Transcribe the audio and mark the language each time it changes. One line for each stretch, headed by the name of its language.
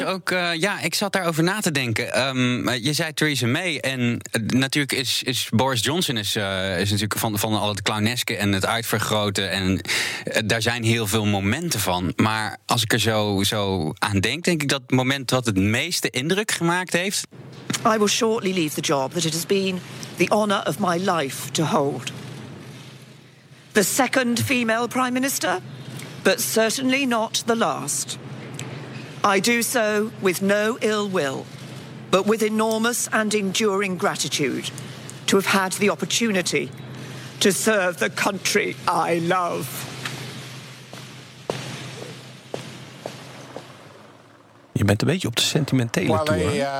Dutch: komen? Ik zat daarover na te denken. Je zei Theresa May. En natuurlijk is Boris Johnson is natuurlijk van al het clowneske en het uitvergroten. En daar zijn heel veel momenten van. Maar als ik er zo aan denk, denk ik dat het moment wat het meeste indruk gemaakt heeft.
English: I will shortly leave the job that it has been the honor of my life to hold. The second female prime minister, but certainly not the last. I do so with no ill will, but with enormous and enduring gratitude to have had the opportunity to serve the country I love.
Dutch: Je bent een beetje op de sentimentele tour.